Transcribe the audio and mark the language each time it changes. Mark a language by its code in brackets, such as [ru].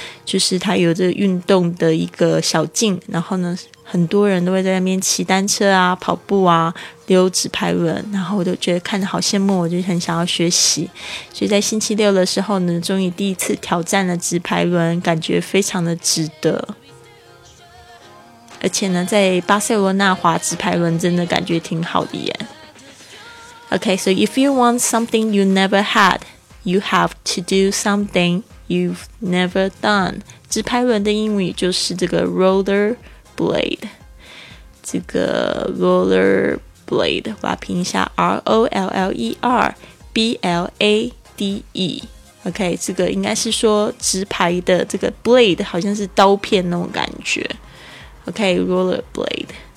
[zh] 就是它有这个运动的一个小径，然后呢很多人都会在那边骑单车啊、跑步啊、溜纸牌轮，然后我都觉得看着好羡慕，我就很想要学习。所以在星期六的时候呢，终于第一次挑战了纸牌轮，感觉非常的值得。而且呢，在巴塞罗那滑纸牌轮真的感觉挺好的耶。 [en] OK, so if you want something you never had, you have to do something you've never done. [zh] 纸牌轮的英语就是这个 roller. Blade, 这个 roller blade, 我要拼一下 R-O-L-L-E-R-B-L-A-D-E, OK, 这个应该是说直排的这个 blade, 好像是刀片那种感觉 OK, roller blade。